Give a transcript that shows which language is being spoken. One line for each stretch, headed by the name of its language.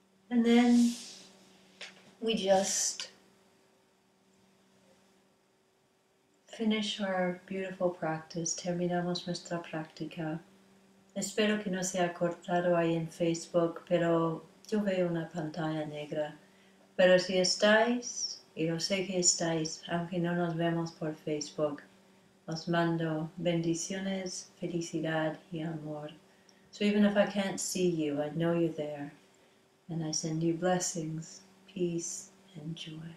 English: And then we just finish our beautiful practice.
Spanish: Terminamos nuestra práctica. Espero que no sea cortado ahí en Facebook, pero yo veo una pantalla negra. Pero si estáis, y yo sé que estáis, aunque no nos vemos por Facebook, os mando bendiciones, felicidad y amor.
English: So even if I can't see you, I know you're there. And I send you blessings, peace, and joy.